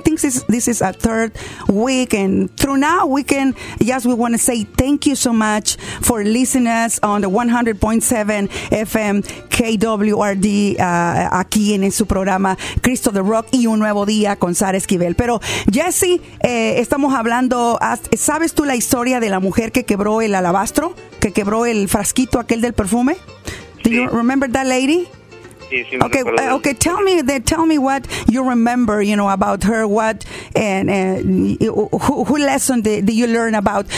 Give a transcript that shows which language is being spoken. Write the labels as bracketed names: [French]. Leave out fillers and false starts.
[English] I think this is our third week, and through now we can, yes, we want to say thank you so much for listening us on the 100.7 FM KWRD [Spanish] aquí en su programa [English] Cristo the Rock y Un Nuevo Día con Sara Esquivel. [Spanish] Pero Jesse, estamos hablando, ¿sabes tú la historia de la mujer que quebró el alabastro, que quebró el frasquito aquel del perfume? Sí. [English] Do you remember that lady? [Spanish] Sí, sí, [English] okay, okay. Tell me what you remember, you know, about her. What and who lesson did you learn about?